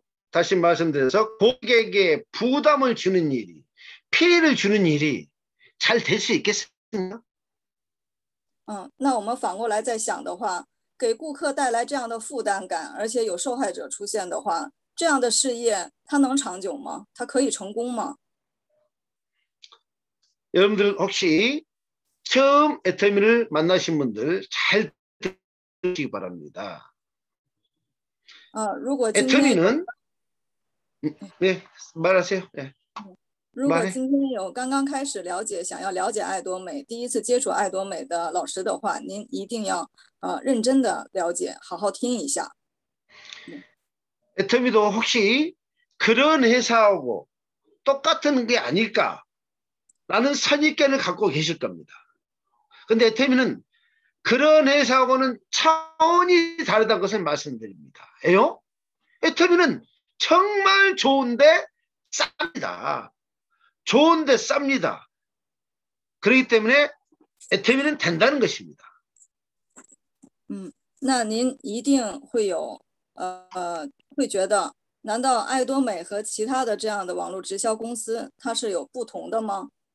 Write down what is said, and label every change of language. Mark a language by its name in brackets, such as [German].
[Korean] 다시 말씀드려서 고객에게 부담을 주는 일이, 피해를 주는 일이 잘될수 있겠습니까? [Chinese] 那我们反过来再想的话，给顾客带来这样的负担感，而且有受害者出现的话，这样的事业它能长久吗？它可以成功吗？ [Korean] 여러분들 혹시 처음 애터미를 만나신 분들 잘 들으시기 바랍니다. 애터미는 네, 말하세요. 네. [Chinese] 如果今天有刚刚开始了解、想要了解爱多美、第一次接触爱多美的老师的话，您一定要认真的了解，好好听一下。 [Korean] 애터미도 혹시 그런 회사하고 똑같은 게 아닐까라는 선입견을 갖고 계실 겁니다. 근데 애터미는 그런 회사하고는 차원이 다르다는 것을 말씀드립니다. 에요? 애터미는 정말 좋은데 쌉니다. 좋은데 쌉니다. 그렇기 때문에 애터미는 된다는 것입니다. [Chinese] 那您一定会觉得，难道爱多美和其他的这样的网络直销公司它是有不同的吗？